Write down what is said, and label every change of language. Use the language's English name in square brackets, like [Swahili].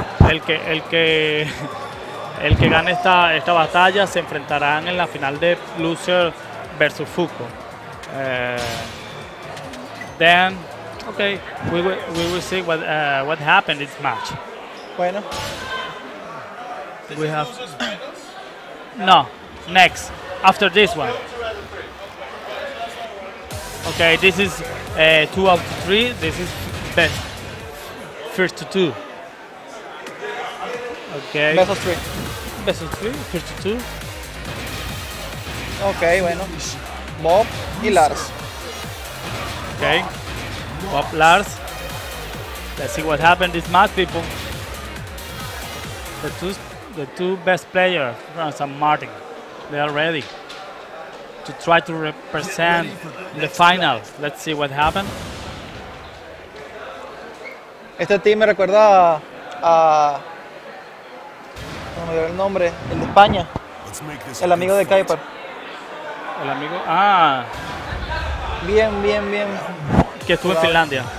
[Spanish] El que gane esta batalla se enfrentarán en la final de Loser versus Fuku. [English] Then, okay, we will see what happened in this match. [Spanish] Bueno. [English] We have no. Next, after this one. Okay, this is 2 out of 3. This is best. First to two. Okay. Best of three. Best of three. First to two. [Spanish] Okay, bueno. Bob y Lars. [English] Okay. Bob, Lars. Let's see what happened this match, people. The two best players from San Martin, they are ready to try to represent the final. Let's see what happened. [Spanish] Este team me recuerda a no me dio el nombre, el de España, el amigo de Kuiper. El amigo, ah. Bien. Que estuvo en Finlandia.